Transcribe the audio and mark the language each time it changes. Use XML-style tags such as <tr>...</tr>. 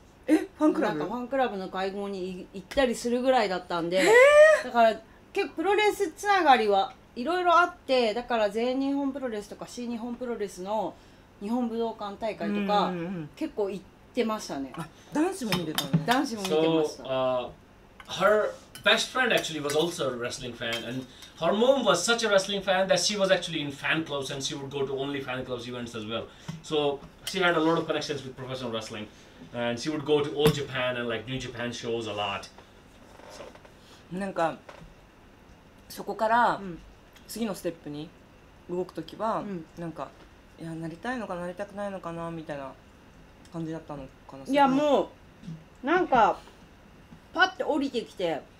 <ja>え、ファンクラブ、なんかファンクラブの会合に行ったりするぐらいだったんで、だから結構プロレスつながりはいろいろあって、だから全日本プロレスとか新日本プロレスの日本武道館大会とか結構行ってましたね。あ、男子も見てたね。男子も見てました。</ja> <en>So, her best friend actually was also a wrestling fan, and her mom was such a wrestling fan that she was actually in fan clubs and she would go to only fan clubs events as well. So she had a lot of connections with professional wrestling, and she would go to All Japan and like New Japan shows a lot. So.</en> <ja>なんかそこから、うん、次のステップに動くときは、うん、なんかいや、なりたいのかなりたくないのかなみたいな感じだったのかな。いや、もうなんかパッて降りてきて、</ja>